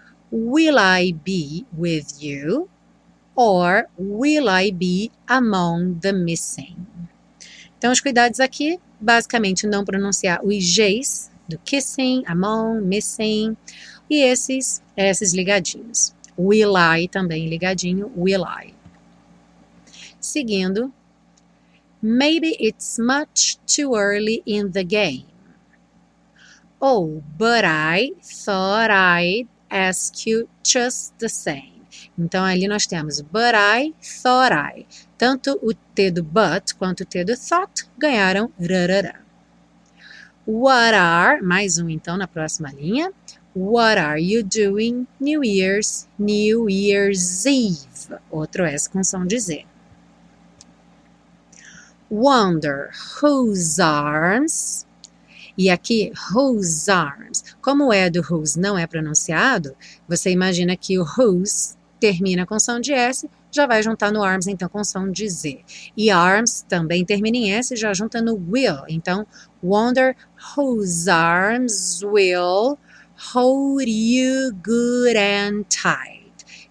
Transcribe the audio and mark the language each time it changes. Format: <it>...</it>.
<en>Will I be with you or will I be among the missing?</en> <pt>Então, os cuidados aqui, basicamente, não pronunciar os Gs do kissing, among, missing e esses ligadinhos. Will I também ligadinho, will I.</pt> <en>Seguindo, maybe it's much too early in the game. Oh, but I thought I'd ask you just the same.</en> <pt>Então ali nós temos but I thought I. Tanto o T do but quanto o T do thought ganharam rarara. What are, mais um então na próxima linha.</pt> <en>What are you doing New Year's Eve?</en> <pt>Outro S com som de Z.</pt> <en>Wonder whose arms. E aqui, whose arms?</en> <pt>Como o é do whose não é pronunciado, você imagina que o whose termina com som de S, já vai juntar no arms, então, com som de Z. E arms também termina em S, já junta no will.</pt> <en>Então, wonder whose arms will hold you good and tight.</en>